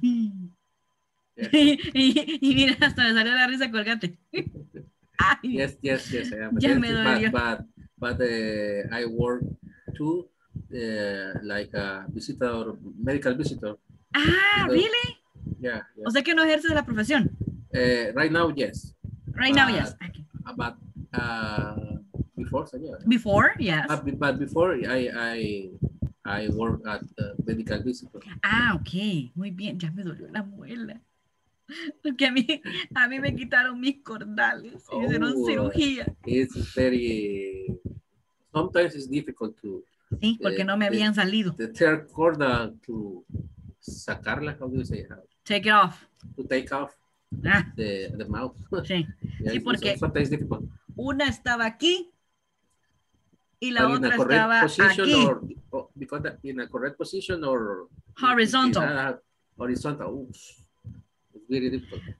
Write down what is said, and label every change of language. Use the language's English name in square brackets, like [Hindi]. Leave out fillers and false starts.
[Spanish] Yes. Y mira, hasta me salió la risa, colgate. [English] Yes, I am a dentist. But I work too, like a visitor, medical visitor. Ah, because, really? Yeah. [Spanish] O sea que no ejerce la profesión. [English] Right now, yes. Right now, yes. Okay. But before, señora. Before, yes. But before, I work at medical visitor. [Spanish] Ah, okay. Muy bien. Ya me dolió la muela. Porque a mí me quitaron mis cordales. Y hicieron cirugía. [English] It's very... Sometimes it's difficult to... [Spanish] Sí, porque no me habían salido. [English] The third cordal to sacarla, how do you say it? Take it off. To take off the mouth. [Spanish] Sí, sí, porque una estaba aquí y la otra estaba aquí. [English] Because in a correct position or horizontal. Horizontal. Oops. It's very difficult.